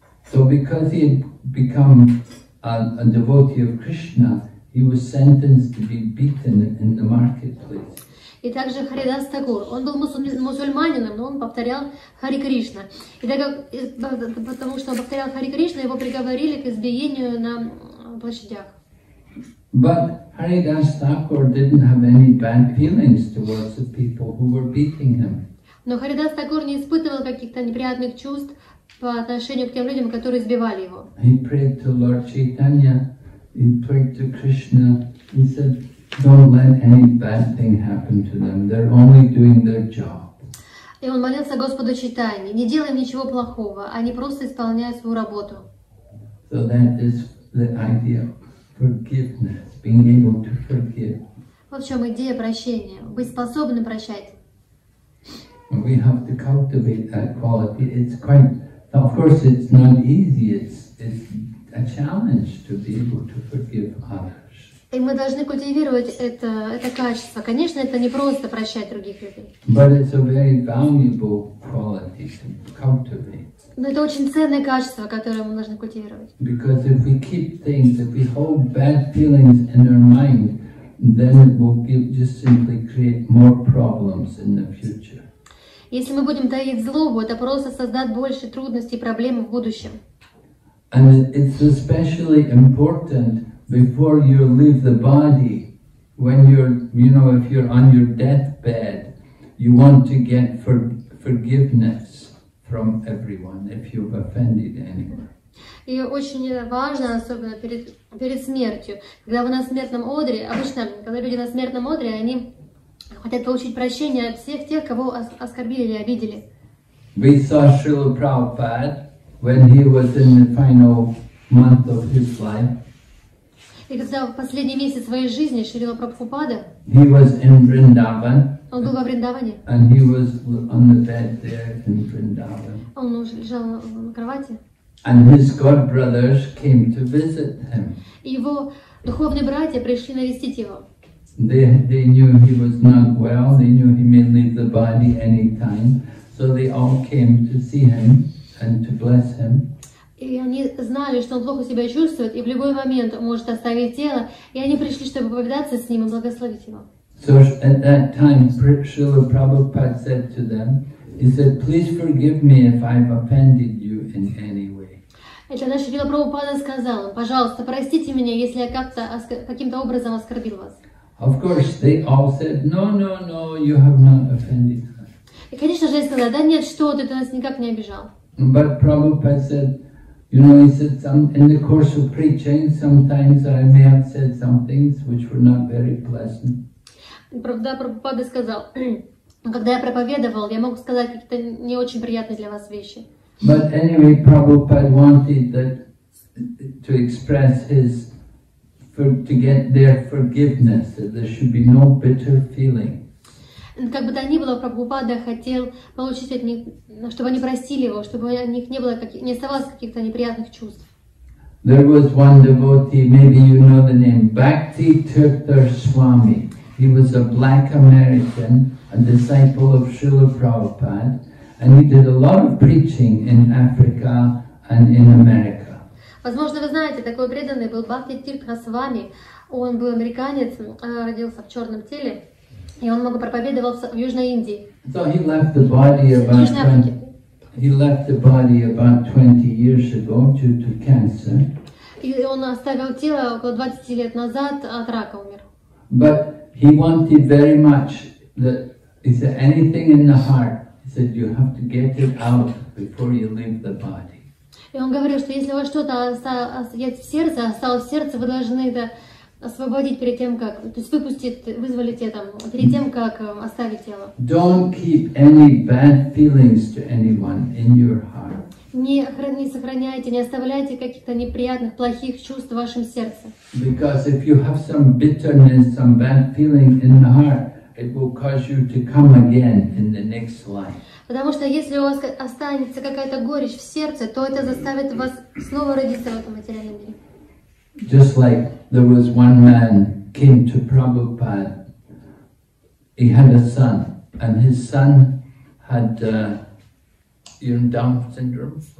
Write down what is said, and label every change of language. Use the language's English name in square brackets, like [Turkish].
[English] So because he had become a devotee of Krishna, he was sentenced to be beaten in the marketplace. [Russian] И также Харидас Тагур, он был мусульманином, но он повторял Хари Кришна. И так как, потому что он повторял Хари Кришна, его приговорили к избиению на площадях. [English] But Haridas Thakur didn't have any bad feelings towards the people who were beating him. [Russian] Но Харидас Тагур не испытывал каких-то неприятных чувств по отношению к тем людям, которые избивали его. [English] He prayed to Lord Chaitanya, he prayed to Krishna, he said, don't let any bad thing happen to them, they're only doing their job. [Russian] И он молился Господу Чайтанье, не делай ничего плохого, они просто исполняют свою работу. [English] So that is the idea. Forgiveness, being able to forgive. [Russian] В общем, идея прощения, быть способным прощать. [English] We have to cultivate that quality. It's quite, of course, it's not easy. It's a challenge to be able to forgive others. [Russian] И мы должны культивировать это качество. Конечно, это не просто прощать других людей. [English] But it's a very valuable quality to cultivate. [Russian] Но это очень ценное качество, которое мы должны культивировать. [English] Because if we keep things, if we hold bad feelings in our mind, then it will just simply create more problems in the future. [Russian] Если мы будем таить злобу, это просто создаст больше трудностей и проблем в будущем. [English] And it's especially important before you leave the body, when you're, you know, if you're on your deathbed, you want to get forgiveness from everyone if you've offended anyone. [Russian] И очень важно, особенно перед смертью, когда вы на смертном одре, обычно, когда люди на смертном одре, они хотят получить прощение от всех тех, кого оскорбили или обидели. [English] We saw Srila Prabhupada when he was in the final month of his life. [Russian] И когда в последний месяц своей жизни Шрила Прабхупада, [English] he was in Vrindavan. [Russian] Он был во Вриндаване. [English] And he was on the bed there in Vrindavan. [Russian] Он уже лежал на кровати. [English] And his god brothers came to visit him. [Russian] Его духовные братья пришли навестить его. [English] They knew he was not well. They knew he may leave the body any time. So they all came to see him and to bless him. [Russian] И они знали, что он плохо себя чувствует и в любой момент может оставить тело. И они пришли, чтобы повидаться с ним и благословить его. [English] So at that time, Srila Prabhupada said to them, he said, please forgive me if I've offended you in any way. [Russian] И тогда Шрила Прабхупада сказал, пожалуйста, простите меня, если я как-то, каким-то образом оскорбил вас. [English] Of course, they all said, no, you have not offended us. [Russian] И, конечно же, они сказали, да нет, что ты нас никак не обижал. [English] But Prabhupada said, you know, he said, in the course of preaching, sometimes I may have said some things which were not very pleasant. [Russian] Правда, Прабхупада сказал, когда я проповедовал, я мог сказать какие-то не очень приятные для вас вещи. [English] But anyway, Prabhupada wanted that to express his to get their forgiveness, that there should be no bitter feeling. [Russian] Как бы то ни было, Прабхупада хотел получить от них, чтобы они простили его, чтобы у них не было не оставалось каких-то неприятных чувств. [English] There was one devotee, maybe you know the name, Bhakti Tirthar Swami. He was a black American, a disciple of Srila Prabhupada, and he did a lot of preaching in Africa and in America. [Russian] Возможно, вы знаете, такой преданный был Бхакти Тиртха Свами. Он был американец, родился в черном теле, и он много проповедовал в Южной Индии. [English] So he left the body about 20, he left the body about 20 years ago due to cancer. [Russian] И он оставил тело около 20 лет назад, от рака умер. [English] But he wanted very much that, he said, anything in the heart, he said, you have to get it out before you leave the body. [Russian] И он говорил, что если у вас что-то осталось в сердце, вы должны это освободить перед тем, как, то есть выпустить, вызволить это, перед тем, как оставить тело. [English] Don't keep any bad feelings to anyone in your heart. [Russian] не сохраняйте, не оставляйте каких-то неприятных, плохих чувств в вашем сердце. [English] Because if you have some bitterness, some bad feeling in the heart, it will cause you to come again in the next life. [Russian] Потому что если у вас останется какая-то горечь в сердце, то это заставит вас снова родиться в этом материальном мире. [English] Just like there was one man came to Prabhupada. He had a son, and his son had Down syndrome.